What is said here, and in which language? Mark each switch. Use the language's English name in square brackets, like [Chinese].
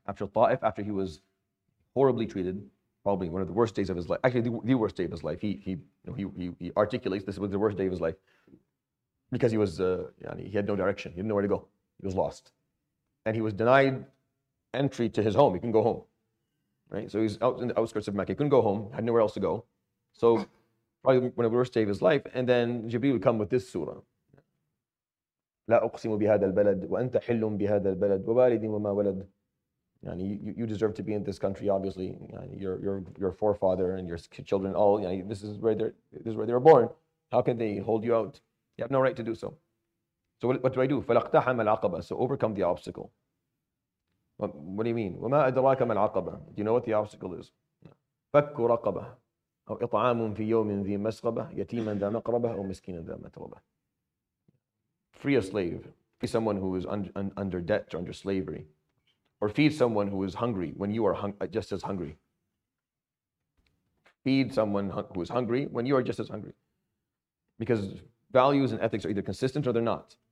[English] After Ta'if, after he was horribly treated, probably one of the worst days of his life, actually the worst day of his life, he articulates this was the worst day of his life because he was, he had no direction. He didn't know where to go. He was lost. And he was denied entry to his home. He couldn't go home, right? So he's out in the outskirts of Mecca. He couldn't go home, had nowhere else to go. So probably one of the worst days of his life. And then Jibreel would come with this surah. [Arabic] لا أقسم بهذا البلد وأنت حل بهذا البلد وبالد وما ولد. [English] You deserve to be in this country. Obviously, your forefather and your children all. This is where they were born. How can they hold you out? You have no right to do so. So what do I do? [Arabic] فلقتحم العقبة. [English] So overcome the obstacle. What do you mean? [Arabic] وما أدراك ما العقبة. [English] Do you know what the obstacle is? [Arabic] فك رقبة أو إطعام في يوم ذي مسغبة يتيما ذا مقربة أو مسكينا ذا متربة. [English] Free a slave, free someone who is under debt or under slavery, or feed someone who is hungry when you are just as hungry. Feed someone who is hungry when you are just as hungry. Because values and ethics are either consistent or they're not.